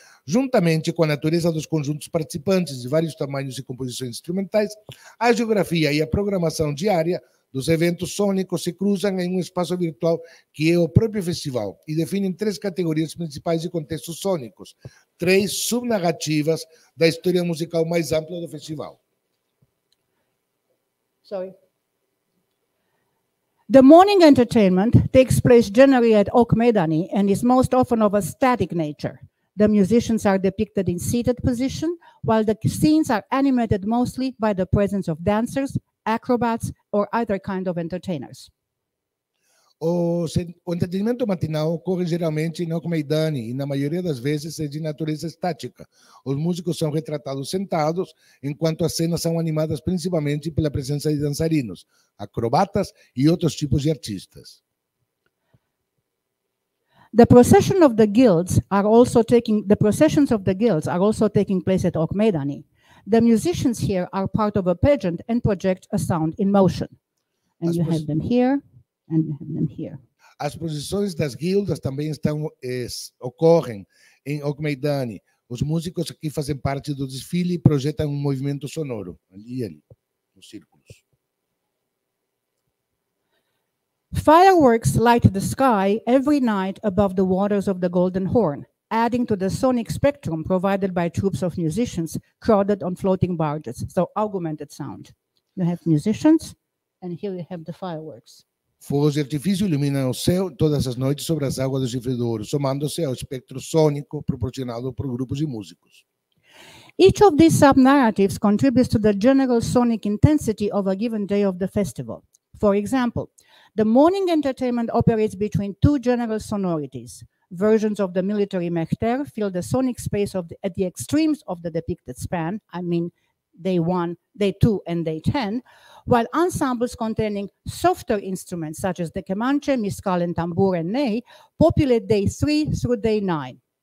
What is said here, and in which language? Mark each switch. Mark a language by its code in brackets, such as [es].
[pt] Juntamente com a natureza dos conjuntos participantes de vários tamanhos e composições instrumentais, a geografia e a programação diária dos eventos sônicos se cruzam em um espaço virtual que é o próprio festival e definem três categorias principais de contextos sônicos, três subnarrativas da história musical mais ampla do festival. [en] Sorry. The morning entertainment takes place generally at Ameidani and is most often of a static nature. The musicians are depicted in seated position, while the scenes are animated mostly by the presence of dancers, acrobats, or other kind of entertainers. [pt] O entretenimento matinal ocorre geralmente em Ameidani e, na maioria das vezes, é de natureza estática. Os músicos são retratados sentados, enquanto as cenas são animadas principalmente pela presença de dançarinos, acrobatas e outros tipos de artistas. [en] The processions of the guilds are also taking place at Ameidani. The musicians here are part of a pageant and project a sound in motion. And you have them here, and you have them here. [pt] As procissões das guildas também estão ocorrem em Ameidani. Os músicos aqui fazem parte do desfile e projetam movimento sonoro ali, nos círculos. [en] Fireworks light the sky every night above the waters of the Golden Horn, adding to the sonic spectrum provided by troops of musicians crowded on floating barges. So augmented sound. You have musicians, and here you have the fireworks. [pt] Fogos de artifício iluminam o céu todas as noites sobre as águas do Chifre do Ouro, somando-se ao espectro sônico proporcionado por grupos de músicos. [en] Each of these sub-narratives contributes to the general sonic intensity of a given day of the festival. For example, the morning entertainment operates between two general sonorities. Versions of the military mechter fill the sonic space of at the extremes of the depicted span, I mean day one, day two, and day 10, while ensembles containing softer instruments such as the kemanche, miskal, and tambour and ney populate day 3 through day 9.